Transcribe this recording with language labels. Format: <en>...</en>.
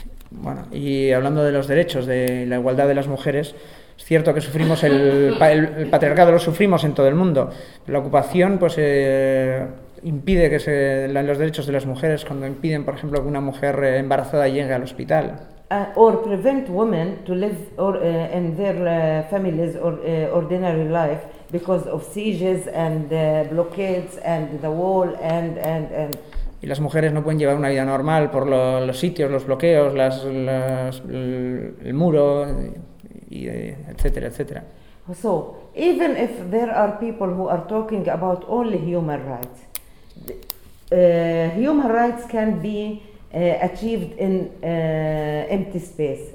<es>Bueno, y hablando de los derechos de la igualdad de las mujeres, es cierto que sufrimos el patriarcado, lo sufrimos en todo el mundo. La ocupación pues impide que se los derechos de las mujeres, cuando impiden, por ejemplo, que una mujer embarazada llegue al hospital.</es> <en>Or prevent women to live or, in their families or ordinary life because of sieges and blockades and the wall and.</en> <es>Y las mujeres no pueden llevar una vida normal por los sitios, los bloqueos, el muro. Etcétera.</es> <en>So, even if there are people who are talking about only human rights, human rights can be achieved in empty space.</en>